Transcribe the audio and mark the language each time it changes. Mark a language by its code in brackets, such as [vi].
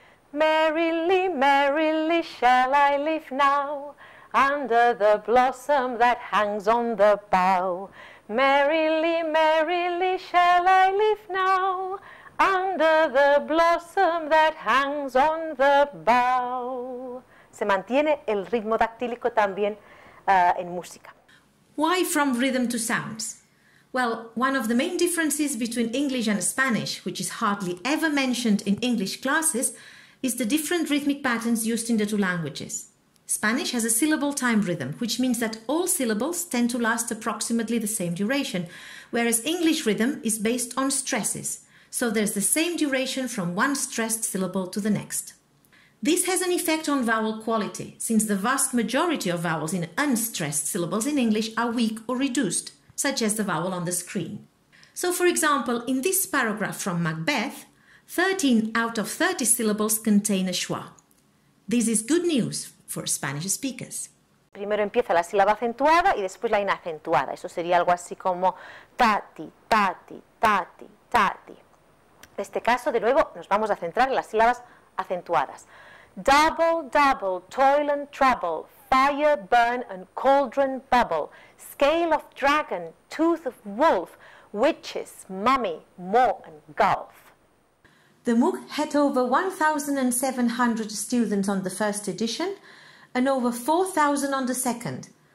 [en] Merrily, merrily shall I live now, under the blossom that hangs on the bough. Merrily, merrily shall I live now, under the blossom that hangs on the bough. [es] Se mantiene el ritmo dactílico también en música. [en] Why from rhythm to sounds? Well, one of the main differences between English and Spanish, which is hardly ever mentioned in English classes, is the different rhythmic patterns used in the two languages. Spanish has a syllable time rhythm, which means that all syllables tend to last approximately the same duration, whereas English rhythm is based on stresses. So there's the same duration from one stressed syllable to the next. This has an effect on vowel quality, since the vast majority of vowels in unstressed syllables in English are weak or reduced, such as the vowel on the screen. So, for example, in this paragraph from Macbeth, 13 out of 30 syllables contain a schwa. This is good news for Spanish speakers. [es] Primero empieza la sílaba acentuada y después la inacentuada. Eso sería algo así como tati, tati, tati, tati. En este caso, de nuevo, nos vamos a centrar en las sílabas acentuadas. [en] Double, double, toil and trouble, fire, burn and cauldron bubble, scale of dragon, tooth of wolf, witches, mummy, moor and gulf. The MOOC had over 1,700 students on the first edition and over 4,000 on the second.